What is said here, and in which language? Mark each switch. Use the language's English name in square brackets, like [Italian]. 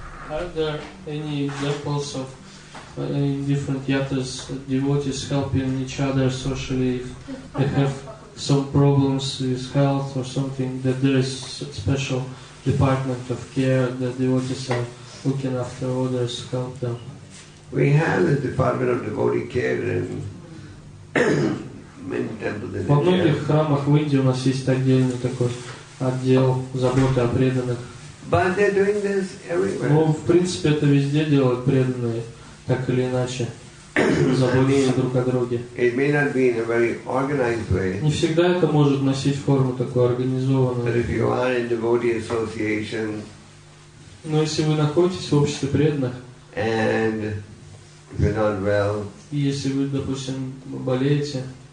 [English] Are there any examples of in different yatras devotees helping each other socially if they have some problems with health or something, that there is a special department of care that devotees are looking after others, help them? We have the department of devotee care in many temples. [Russian] Во многих храмах в Индии у нас есть отдельный такой отдел заботы о преданных. [English] But they're doing this everywhere. [Russian] Ну, в принципе, это везде делают преданные, так или иначе, заботятся друг о друге. [English] It may not be in a very organized way. [Russian] Не всегда это может носить форму такую организованную. [English] But if you are in devotee association. [Russian] Но если вы находитесь в обществе преданных. [English] And if you're not well. [Russian] И если вы, допустим, болеете.